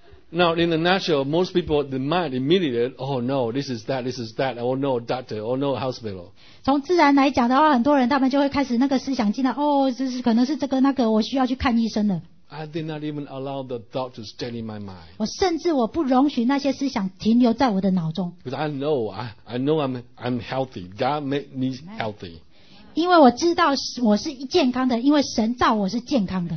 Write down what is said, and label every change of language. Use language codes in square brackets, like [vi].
[en] Now, in the natural, most people, the mind immediately, oh no, this is that, oh no, doctor, oh no, hospital. [zh] 从自然来讲的话，很多人他们就会开始那个思想进来，哦，这是可能是这个那个，我需要去看医生了。 [en] I did not even allow the thought to stay in my mind. [zh] 我甚至我不容许那些思想停留在我的脑中。 [en] Because I know I'm healthy. God made me healthy. [zh] 因为我知道我是健康的，因为神造我是健康的。